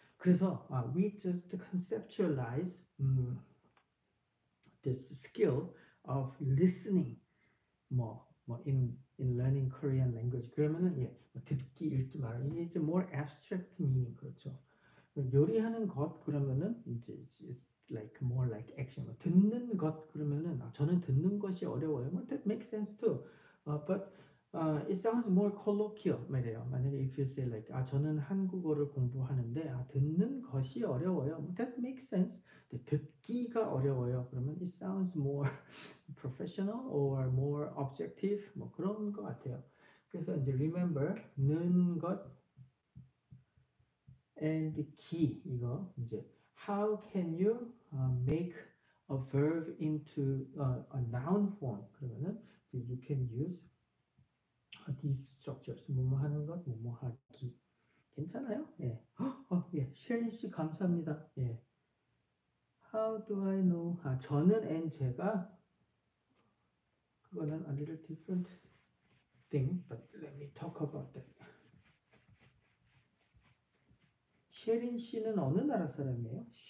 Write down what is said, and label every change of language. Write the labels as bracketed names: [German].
[English] 그래서 we just conceptualize this skill of listening, 뭐 in learning Korean language. [Korean] 그러면은 예, 듣기, 읽기, 말하기 이게 이제 [English] more abstract meaning, [Korean] 그렇죠? 요리하는 것 그러면은 이제 [English] it's like more like action. [Korean] 뭐 듣는 것 그러면은 저는 듣는 것이 어려워요. [English] 뭐 that makes sense too, but it sounds more colloquial 말이에요. [Korean] 만약에 [English] if you say like [Korean] 아 저는 한국어를 공부하는데 아 듣는 것이 어려워요. [English] That makes sense. [Korean] 근데 듣기가 어려워요. 그러면 [English] it sounds more professional or more objective [Korean] 뭐 그런 것 같아요. [English] 그래서 이제 remember 는 것 and key 이거 이제 how can you make a verb into a noun form? [Korean] 그러면은 [English] you can use these structures, [Korean] 뭐뭐 하는 것, 뭐뭐 하기. 괜찮아요? 예. 예. 쉐린 씨, 감사합니다. 예. [English] How do I know? [Korean] 아, 저는 and 제가. [English] 그거는 a little different thing, but let me talk about that. [Korean] 쉐린 씨는 어느 나라 사람이에요?